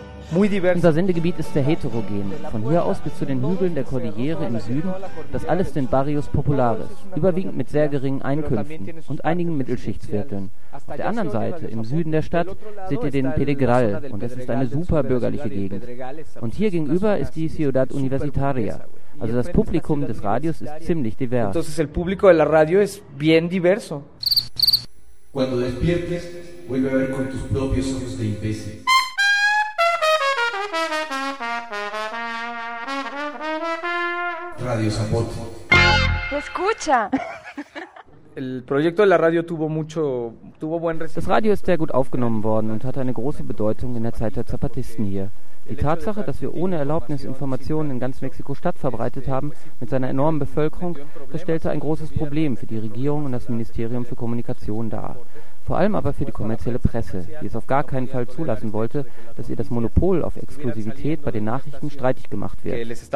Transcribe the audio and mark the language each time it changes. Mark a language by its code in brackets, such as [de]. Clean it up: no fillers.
[de] Unser Sendegebiet ist sehr heterogen. Von hier aus bis zu den Hügeln der Cordillere im Süden, das alles sind Barrios Populares, überwiegend mit sehr geringen Einkünften und einigen Mittelschichtsvierteln. Auf der anderen Seite, im Süden der Stadt, seht ihr den Pedregal und es ist eine super bürgerliche Gegend. Und hier gegenüber ist die Ciudad Universitaria. Also das Publikum des Radios ist ziemlich divers. [es] Entonces el público de la radio es bien diverso. Cuando despiertes, vuelve a ver con tus propios ojos de imbécil. Radio Zapote. Escucha. El proyecto de la radio tuvo mucho, tuvo buen recibimiento. [de] Das Radio ist sehr gut aufgenommen worden und hat eine große Bedeutung in der Zeit der Zapatisten hier. Die Tatsache, dass wir ohne Erlaubnis Informationen in ganz Mexiko-Stadt verbreitet haben, mit seiner enormen Bevölkerung, das stellte ein großes Problem für die Regierung und das Ministerium für Kommunikation dar. Vor allem aber für die kommerzielle Presse, die es auf gar keinen Fall zulassen wollte, dass ihr das Monopol auf Exklusivität bei den Nachrichten streitig gemacht wird.